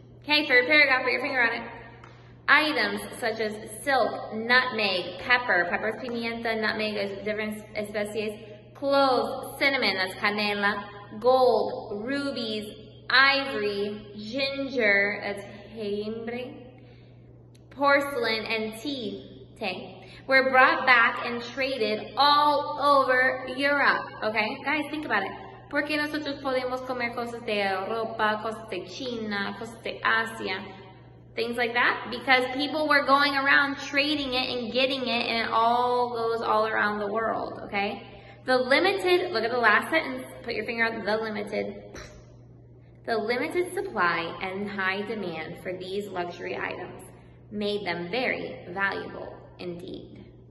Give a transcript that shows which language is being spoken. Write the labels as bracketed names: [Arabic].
[English] Okay, third paragraph, put your finger on it. Items such as silk, nutmeg, pepper is pimienta, nutmeg is different especies, cloves, cinnamon, that's canela, gold, rubies, ivory, ginger, that's jengibre, porcelain, and tea, were brought back and traded all over Europe. Okay, guys, think about it. [Spanish] ¿Por qué nosotros podemos comer cosas de Europa, cosas de China, cosas de Asia? [English] Things like that. Because people were going around trading it and getting it, and it all goes all around the world, okay? The limited, look at the last sentence, put your finger on the limited. The limited supply and high demand for these luxury items made them very valuable indeed.